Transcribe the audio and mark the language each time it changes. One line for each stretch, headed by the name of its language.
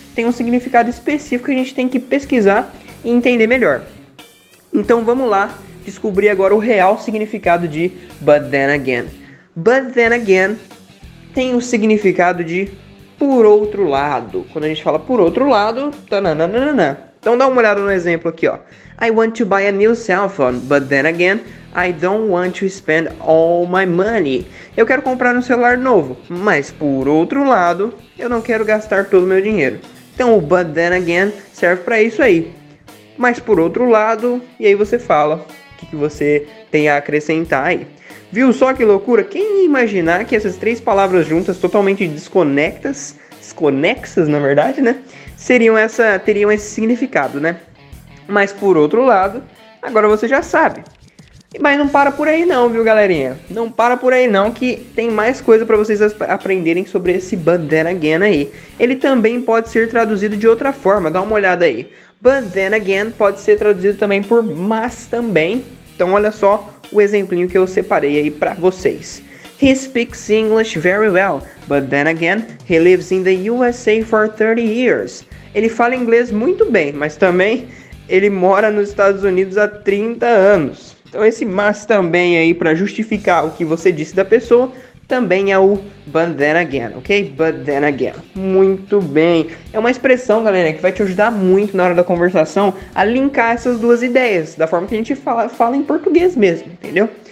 Portuguese: Tem um significado específico que a gente tem que pesquisar e entender melhor. Então vamos lá descobrir agora o real significado de but then again. But then again tem o significado de por outro lado. Quando a gente fala por outro lado, tananana. Então dá uma olhada no exemplo aqui, ó.
English: I want to buy a new cell phone, but then again, I don't want to spend all my money.
Portuguese: Eu quero comprar um celular novo, mas por outro lado, eu não quero gastar todo o meu dinheiro. Então o but then again serve pra isso aí. Mas por outro lado, e aí você fala o que você tem a acrescentar aí. Viu só que loucura? Quem ia imaginar que essas três palavras juntas, totalmente desconexas na verdade, né? Teriam esse significado, né? Mas por outro lado, agora você já sabe. Mas não para por aí não, viu galerinha? Não para por aí não, que tem mais coisa para vocês aprenderem sobre esse but then again aí. Ele também pode ser traduzido de outra forma, dá uma olhada aí. But then again pode ser traduzido também por mas também. Então olha só o exemplinho que eu separei aí pra vocês.
English: He speaks English very well, but then again, he lives in the USA for 30 years.
Portuguese: Ele fala inglês muito bem, mas também ele mora nos Estados Unidos há 30 anos. Então esse mas também aí pra justificar o que você disse da pessoa, também é o but then again, ok? But then again. Muito bem. É uma expressão, galera, que vai te ajudar muito na hora da conversação a linkar essas duas ideias, da forma que a gente fala em português mesmo, entendeu?